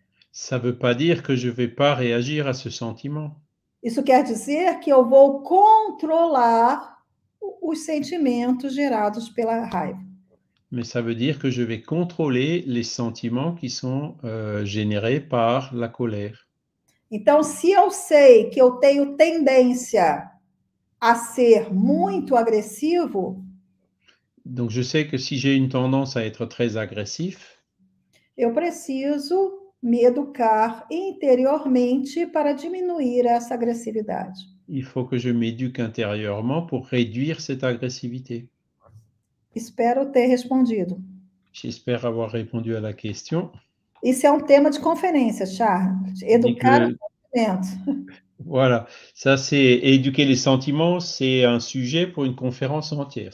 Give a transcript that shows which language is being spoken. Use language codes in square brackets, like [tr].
[fr] Ça ne veut pas dire que je ne vais pas réagir à ce sentiment. [pt] Isso quer dizer que eu vou controlar os sentimentos gerados pela raiva. [fr] Mais ça veut dire que je vais contrôler les sentiments qui sont générés par la colère. [pt] Então, se eu sei que eu tenho tendência a ser muito agressivo, [fr] Donc je sais que si j'ai une tendance à être très agressif, [pt] eu preciso me educar interiormente para diminuir essa agressividade. [fr] il faut que je m'éduque intérieurement pour réduire cette agressivité. [pt] Espero ter respondido. [fr] J'espère avoir répondu à la question. [pt] Isso é um tema de conferência, Charles. [fr] Dit [pt] Educar [fr] que, voilà, ça c'est éduquer les sentiments, c'est un sujet pour une conférence entière.